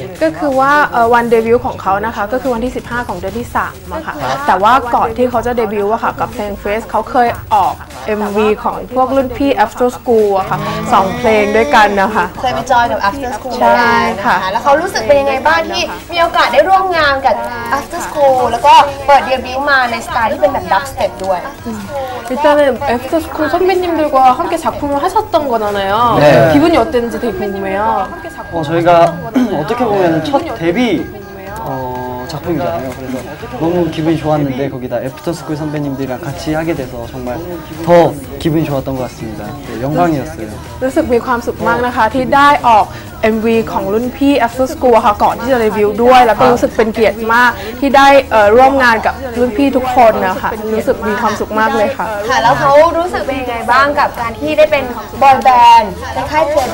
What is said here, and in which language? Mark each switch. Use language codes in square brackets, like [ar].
[th] ก็คือว่าวันเดบิวต์ของเขานะคะก็คือวันที่15ของเดือนที่3อ่ะค่ะแต่ว่าก่อนที่เขาจะเดบิวต์อ่ะค่ะกับเพลง Face เขาเคยออก MV ของพวกรุ่นพี่ After School อ่ะค่ะ2เพลงด้วยกันนะคะ เคยไปจอยกับ After School ใช่ค่ะ แล้วเขารู้สึกเป็นยังไงบ้างที่มีโอกาสได้ร่วมงานกับ After School แล้วก็เปิดเดบิวต์มาในสไตล์ที่เป็นแบบดับสเต็ป [ko] 일단은애프터스쿨선배님들과함께작품을하셨던거잖아요 、 네、 기분이어땠는지 되게 궁금해요 저희가 어떻게보면 첫 데뷔 작품이잖아요. 그래서 너무 기분이 좋았는데 거기다 애프터스쿨 선배님들이랑 같이 하게 돼서 정말 더 기분이 좋았던 것 같습니다. 네, 영광이었어요. [th] รู้สึกมีความสุขมากนะคะที่ได้ออก MV ของรุ่นพี่ After School ค่ะก่อนที่จะรีวิวด้วยแล้วก็รู้สึกเป็นเกียรติมากที่ได้ร่วมงานกับรุ่นพี่ทุกคนนะคะรู้สึกมีความสุขมากเลยค่ะ ค่ะแล้วเขารู้สึกเป็นไงบ้างกับการที่ได้เป็นบอยแบนด์คล้ายๆ